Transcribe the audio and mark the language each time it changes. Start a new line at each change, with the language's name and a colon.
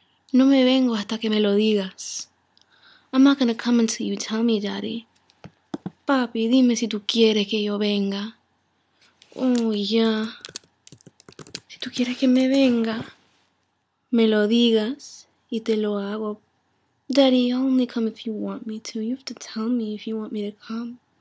Spanish: No me vengo hasta que me lo digas.
English: I'm not gonna come until you tell me, Daddy.
Spanish: Papi, dime si tú quieres que yo venga.
English: Oh, yeah.
Spanish: Si tú quieres que me venga, me lo digas y te lo hago.
English: Daddy, I'll only come if you want me to. You have to tell me if you want me to come.